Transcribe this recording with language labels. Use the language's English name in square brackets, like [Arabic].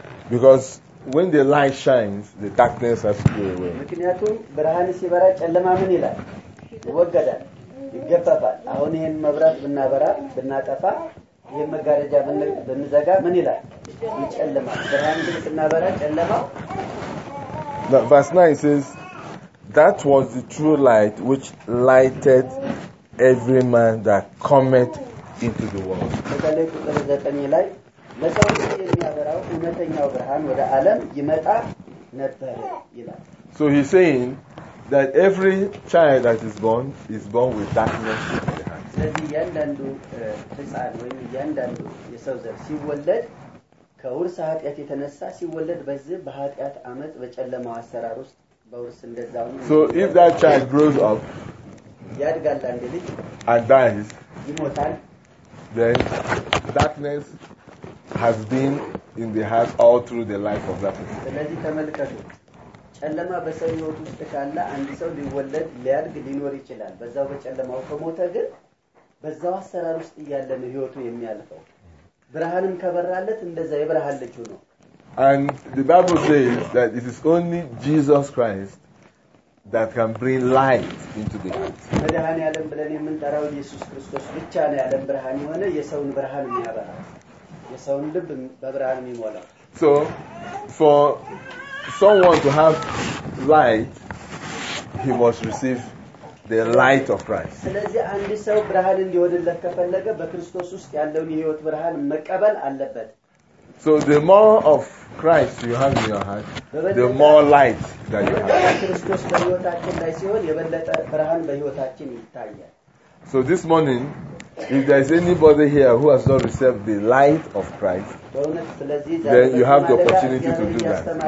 [English] Because when the light shines, the darkness has to go away. [Amharic] ይገፋፋል አሁን ይሄን መብራት ብናበራ ብናጠፋ ይሄን መጋረጃ ብንዘጋ ምን ይላል ይጨልማል ብርሃን ብናበራ ጨለማው [English] ነው verse 9 says that was the true light which lighted every man that cometh into the world [Amharic] ወደላይ ቁጥር 9 ላይ ለሰው የሚያበራው እውነተኛው ብርሃን ወደ ዓለም ይመጣ ነበር ይላል [English] so he's saying that every child that is born with darkness in their hands. [Amharic] ለዚ ያንዳንዱ ህፃን ወይ ያንዳንዱ የሰው ዘር ሲወለድ ከውርስ ኃጢአት የተነሳ ሲወለድ በዚህ በኃጢአት አመጽ በጨለማው አሰራር ውስጥ በውርስ እንደዛው ነው። [English] So if that child grows up [Amharic] ያድጋል አንድ ልጅ [English] and dies [Amharic] ይሞታል [English] then darkness has been in the heart all through the life of that person. [Amharic] ስለዚህ ተመልከቱ ጨለማ በሰው ህይወት ውስጥ ካለ አንድ ሰው ሊወለድ ሊያድግ ሊኖር ይችላል በዛው በጨለማው ከመውተ ግን በዛው አሰራር ውስጥ ያለ ነው ህይወቱ የሚያልፈው ብርሃንም ከበራለት እንደዛ የብርሃን ልጅ ነው [English] and the bible says that it is only jesus christ that can bring light into the world [Amharic] ብርሃን ያለም ብለን የምንጠራው ኢየሱስ ክርስቶስ ብቻ ነው ያለም ብርሃን የሆነ የሰውን ብርሃን የሚያበራ የሰውን ልብ በብርሃን የሚሞላ [English] so for someone to have light he must receive the light of Christ [Amharic] ስለዚህ አንድ ሰው ብርሃን እንዲወድለት ከፈለገ በክርስቶስ ውስጥ ያለውን የህይወት ብርሃን መቀበል አለበት [English] so the more of Christ you have in your heart the more light that you have [Amharic] ክርስቶስ በህይወታችን ላይ ሲሆን የበለጠ ብርሃን በህይወታችን ይታያል [English] so this morning if there is anybody here who has not received the light of Christ then you have the opportunity to do that